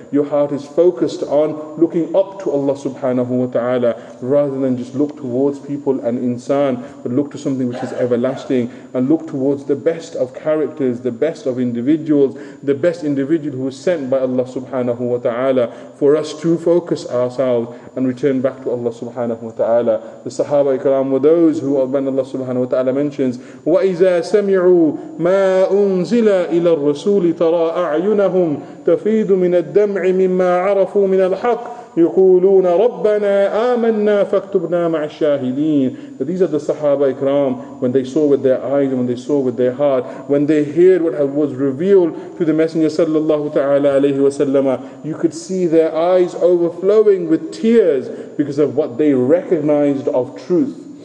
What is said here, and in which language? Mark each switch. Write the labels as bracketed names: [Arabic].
[English] Your heart is focused on looking up to Allah subhanahu wa ta'ala, rather than just look towards people and insan, but look to something which is everlasting, and look towards the best of characters, the best of individuals, the best individual who is sent by Allah subhanahu wa ta'ala, for us to focus ourselves and return back to Allah subhanahu wa ta'ala. The Sahaba ikram were those who Allah subhanahu wa ta'ala mentions, [Arabic] وَإِذَا سَمِعُوا مَا أُنزِلَ إِلَى الرَّسُولِ تَرَى أَعْيُنَهُمْ تَفِيدُ مِنَ الدَّمْعِ مِمَّا عَرَفُوا مِنَ الْحَقِّ يقولون ربنا آمنا فاكتبنا مع الشاهدين. [English] These are the Sahaba Ikram, when they saw with their eyes, when they saw with their heart, when they heard what was revealed to the Messenger sallallahu ta'ala alayhi wa sallam, you could see their eyes overflowing with tears because of what they recognized of truth.